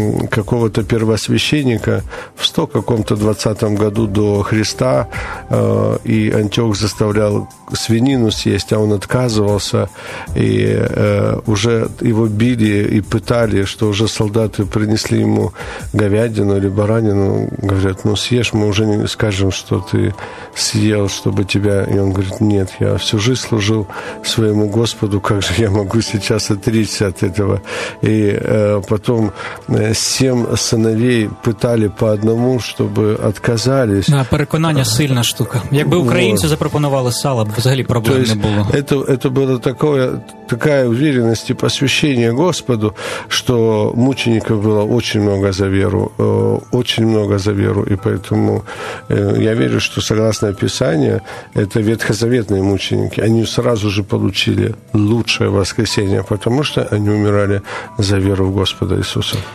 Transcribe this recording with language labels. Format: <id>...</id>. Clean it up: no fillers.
<ru>какого-то первосвященника в 120 году до Христа, и Антиох заставлял свинину съесть, а он отказывался, и уже его били и пытали, что уже солдаты принесли ему говядину или баранину, говорят, ну съешь, мы уже не скажем, что ты съел, чтобы тебя... И он говорит, нет, я всю жизнь служил своему Господу, как же я могу сейчас отречься от этого? И потом семь сыновей пытали по одному, чтобы отказались.</ru> <uk>Да, переконання сильна штука. Якби українці запропонували сало, взагалі проблем не було.</uk> <ru>Это было такое... такая уверенность и посвящение Господу, что мучеников было очень много за веру. Очень много за веру. И поэтому я верю, что, согласно Писанию, это ветхозаветные мученики. Они сразу же получили лучшее воскресение, потому что они умирали за веру в Господа Иисуса.</ru>